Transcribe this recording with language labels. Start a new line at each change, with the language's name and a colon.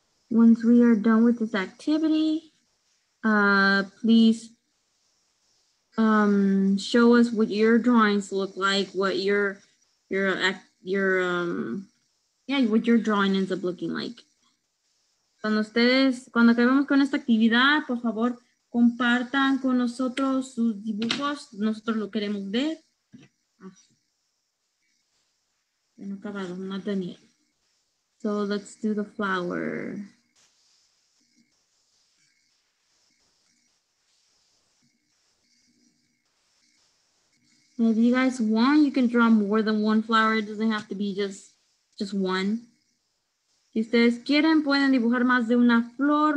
English: Once we are done with this activity, please show us what your drawings look like, what what your drawing ends up looking like.
Spanish: Cuando ustedes, cuando acabemos con esta actividad, por favor, compartan con nosotros sus dibujos, nosotros lo queremos ver. No acabado,
English: not done yet. So let's do the flower. If you guys want, you can draw more than one flower. It doesn't have to be just one.
Spanish: Si ustedes quieren, pueden dibujar más de una flor.